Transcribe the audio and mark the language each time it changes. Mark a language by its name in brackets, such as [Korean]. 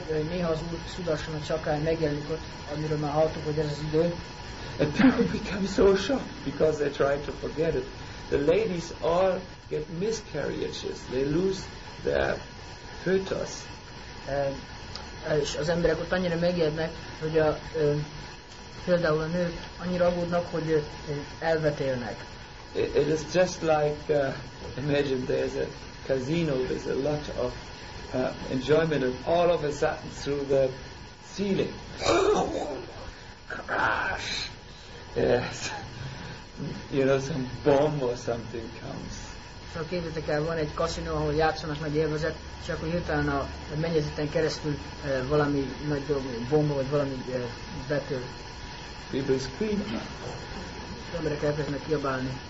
[Hungarian] Néha az Úr Sudarshan csakrán megjelenik ott, amiről már halltuk, hogy ez az idő. [English] And people become so shocked because they try to forget it. The ladies all get miscarriages. They lose their fetus. [Hungarian] És az emberek ott annyira megijednek, hogy a például a nők annyira aggódnak, hogy elvetélnek. [English] It is just like imagine there's a casino with a lot of enjoyment and all of a sudden through the ceiling. Crash! Yes. You know, some bomb or something comes. [Hungarian] So képzeltek el, van egy kaszinó, ahol játszanak nagy élvezet, és akkor hirtelen a mennyezeten keresztül valami nagy dolog, bomba vagy valami betör. [English] People scream. [Hungarian] Az emberek elkezdenek kiabálni.